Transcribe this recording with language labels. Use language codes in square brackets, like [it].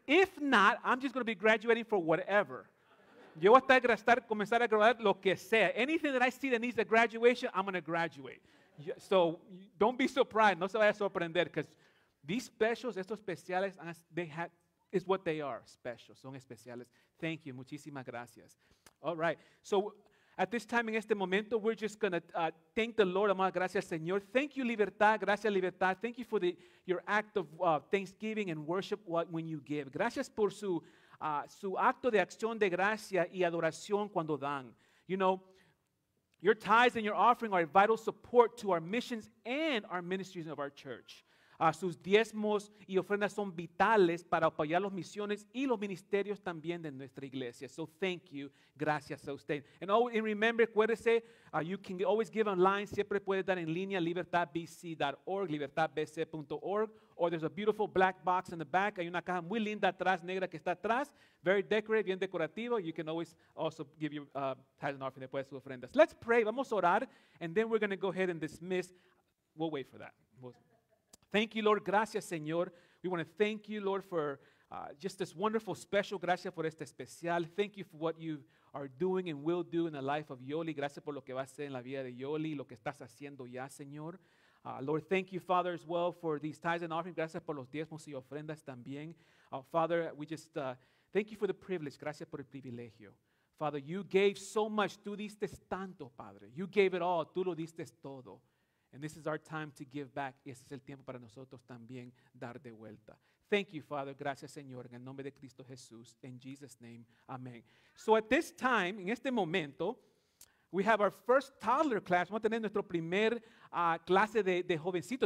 [en] If not, I'm just going to be graduating for whatever. [es] Yo voy a estar comenzar a graduar lo que sea. [en] Anything that I see that needs a graduation, I'm going to graduate. So don't be surprised. [es] No se vaya a sorprender, [en] because these specials, [es] estos especiales, [en] they have, is what they are, special. [es] Son especiales. [en] Thank you. [es] Muchísimas gracias. [en] All right. So at this time, in [es] este momento, [en] we're just going to thank the Lord. [es] Amado, gracias, Señor. [en] Thank you, Libertad. [es] Gracias, Libertad. [en] Thank you for your act of thanksgiving and worship when you give. [es] Gracias por su acto de acción de gracia y adoración cuando dan. [en] You know, your tithes and your offering are a vital support to our missions and our ministries of our church. [es] Sus diezmos y ofrendas son vitales para apoyar las misiones y los ministerios también de nuestra iglesia. [en] So thank you. [es] Gracias a usted. [en] And remember, [es] acuérdese, [en] you can always give online. [es] Siempre puede dar en línea, libertadbc.org, libertadbc.org. [en] Or there's a beautiful black box in the back. [es] Hay una caja muy linda atrás, negra, que está atrás. [en] Very decorative, [es] bien decorativo. [en] You can always also give your tithes and offering [es] después de sus ofrendas. [en] Let's pray. [es] Vamos a orar. [en] And then we're going to go ahead and dismiss. We'll wait for that. Thank you, Lord. [es] Gracias, Señor. [en] We want to thank you, Lord, for just this wonderful special. [es] Gracias por este especial. [en] Thank you for what you are doing and will do in the life of Yoli. [es] Gracias por lo que va a hacer en la vida de Yoli, lo que estás haciendo ya, Señor. [en] Lord, thank you, Father, as well, for these tithes and offerings. [es] Gracias por los diezmos y ofrendas también. [en] Father, we just thank you for the privilege. [es] Gracias por el privilegio. [en] Father, you gave so much. [es] Tú diste tanto, Padre. [en] You gave it all. [es] Tú lo diste todo. [en] And this is our time to give back. [es] Y este es el tiempo para nosotros también dar de vuelta. [en] Thank you, Father. [es] Gracias, Señor. En el nombre de Cristo Jesús. [en] In Jesus' name, amen. So at this time, [es] en este momento, [en] we have our first toddler class. [es] Vamos a tener nuestro primer clase de jovencito.